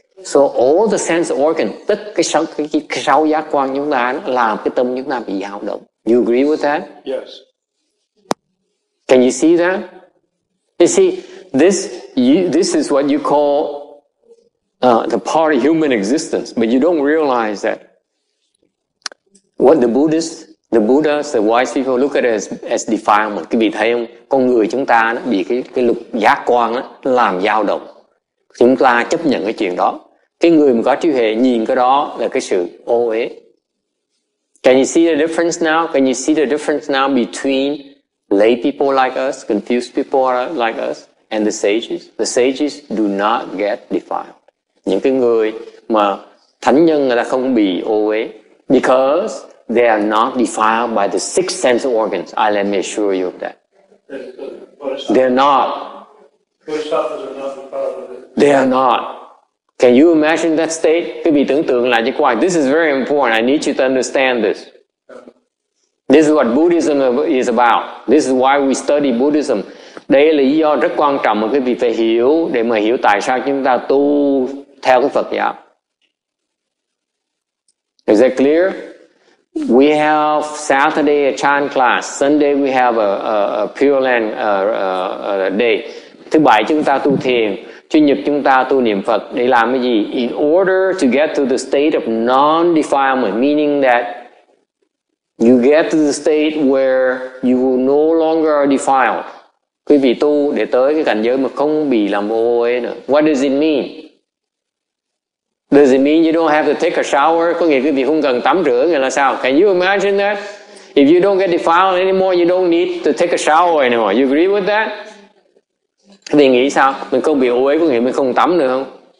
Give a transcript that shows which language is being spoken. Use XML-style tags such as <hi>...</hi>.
<en>So all the sense organ,</en> <vi>tất cái sáu giác quan chúng ta làm cái tâm chúng ta bị dao động.</vi> <en>You agree with that? Yes. Can you see that? You see, this is what you call the part of human existence, but you don't realize that what the Buddhas, the wise people look at it as defilement.</en> <vi>Quý vị thấy không? Con người chúng ta nó bị cái lục giác quan nó làm dao động. Chúng ta chấp nhận cái chuyện đó. Cái người mà có trí huệ nhìn cái đó là cái sự ô uế.</vi> <en>Can you see the difference now? Can you see the difference now between lay people like us, confused people like us, and the sages? The sages do not get defiled.</en> <vi>Những cái người mà thánh nhân người ta không bị ô uế,</vi> <en>because they are not defiled by the six sense organs. I let me assure you of that. They're not. They are not. Can you imagine that state?</en> <vi>Quý vị tưởng tượng lại chứ quay.</vi> <en>This is very important. I need you to understand this. This is what Buddhism is about. This is why we study Buddhism.</en> <vi>Đây là lý do rất quan trọng mà quý vị phải hiểu để mà hiểu tại sao chúng ta tu theo cái Phật giáo.</vi> <en>Is that clear? We have Saturday a chant class. Sunday we have a Pure Land day.</en> <vi>Thứ bảy chúng ta tu thiền. Chủ nhật chúng ta tu niệm Phật. Để làm cái gì?</vi> <en>In order to get to the state of non-defilement, meaning that you get to the state where you no longer are defiled.</en> <vi>Quý vị tu để tới cái cảnh giới mà không bị làm ô uế nữa.</vi> <en>What does it mean? Does it mean you don't have to take a shower?</en> <vi>Có nghĩa quý vị không cần tắm rửa, nghĩa là sao?</vi> <en>Can you imagine that? If you don't get defiled anymore, you don't need to take a shower anymore. You agree with that?</en> <vi>Quý vị nghĩ sao? Mình không bị ô uế có nghĩa mình không tắm nữa không?</vi>